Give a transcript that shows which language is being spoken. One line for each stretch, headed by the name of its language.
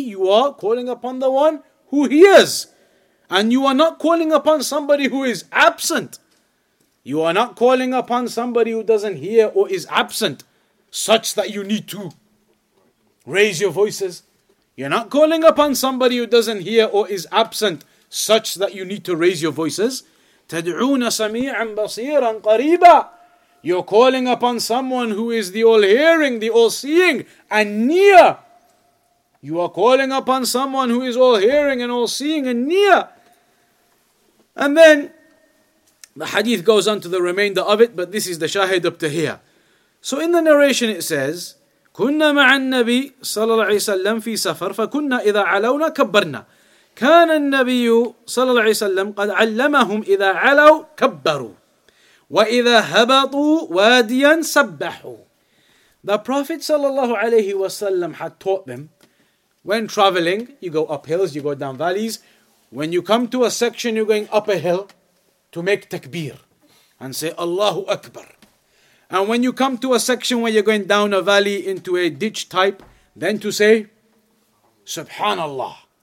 English: you are calling upon the one who hears. And you are not calling upon somebody who is absent. You are not calling upon somebody who doesn't hear or is absent, such that you need to raise your voices. You're not calling upon somebody who doesn't hear or is absent, such that you need to raise your voices.
Arabic: تَدْعُونَ سَمِيعًا بَصِيرًا قَرِيبًا.
English: You're calling upon someone who is the all-hearing, the all-seeing, and near. You are calling upon someone who is all-hearing and all-seeing and near. And then the hadith goes on to the remainder of it, but this is the shahid up to here. So in the narration it says,
Arabic: كُنَّا مَعَ النَّبِيُّ صَلَى اللَّهِ وَسَلَّمْ فِي سَفَرْ فَكُنَّا إِذَا عَلَوْنَا كَبَّرْنَا كَانَ النَّبِيُّ صَلَى اللَّهِ وَسَلَّمْ قَدْ عَلَّمَهُمْ إِذَا عَلَوْا كَبَّرُوا وَإِذَا هَبَطُوا وَادِيًا سَبَّحُوا.
English: The Prophet sallallahu alayhi wa sallam had taught them, when traveling, you go up hills, you go down valleys. When you come to a section, you're going up a hill to make takbir and say Allahu Akbar. And when you come to a section where you're going down a valley into a ditch type, then to say Subhanallah.